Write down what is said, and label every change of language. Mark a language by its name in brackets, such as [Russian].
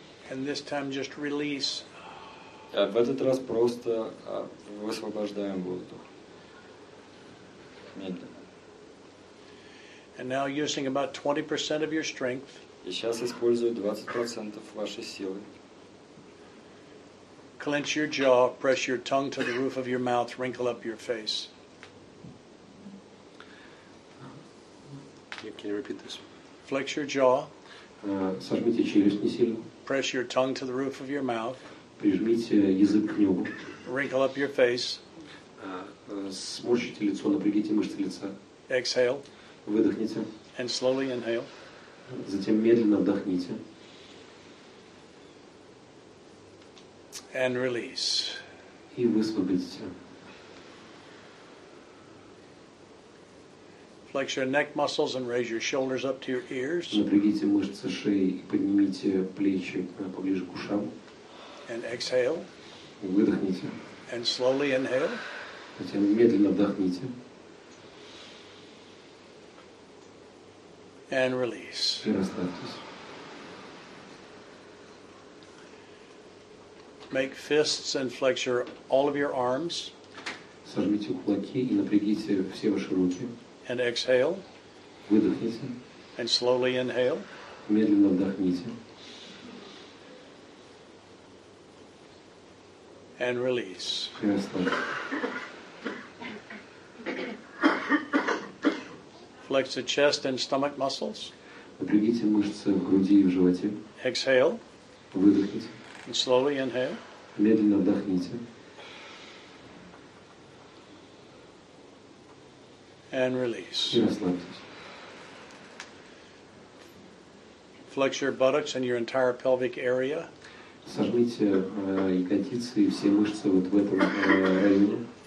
[English] And this time just release. [Russian] А в этот раз просто высвобождаем воздух. Медленно. [English] And now using about 20% of your strength. [Russian] И сейчас использую 20% вашей силы. [English] Clench your jaw, press your tongue to the roof of your mouth, wrinkle up your face. Can you repeat this? Flex your jaw. [Russian] Сожмите челюсть не сильно. [English] Press your tongue to the roof of your mouth. [Russian] Прижмите язык к небу. [English] Wrinkle up your face. [Russian] Сморщите лицо, напрягите мышцы лица. [English] Exhale. [Russian] Выдохните. [English] And slowly inhale. [Russian] Затем медленно вдохните. [English] And release. [Russian] И высвободите. [English] Flex your neck muscles and raise your shoulders up to your ears. [Russian] Напрягите мышцы шеи и поднимите плечи поближе к ушам. [English] And exhale. [Russian] Выдохните. [English] And slowly inhale. [Russian] Затем медленно вдохните. [English] And release. [Russian] И расслабьтесь. [English] make fists and flex your all of your arms. [Russian] Сожмите кулаки и напрягите все ваши руки. [English] And exhale. [Russian] Выдохните. [English] And slowly inhale. [Russian] Медленно вдохните. [English] And release. [Russian] И расслабьте. [English] Flex the chest and stomach muscles. [Russian] Напрягите мышцы в груди и в животе. [English] Exhale. [Russian] Выдохните. [English] And slowly inhale. [Russian] Медленно вдохните. [English] And release. [Russian] И расслабьтесь. [English] Flex your buttocks and your entire pelvic area. [Russian] Сожмите ягодицы и все мышцы вот в этом районе.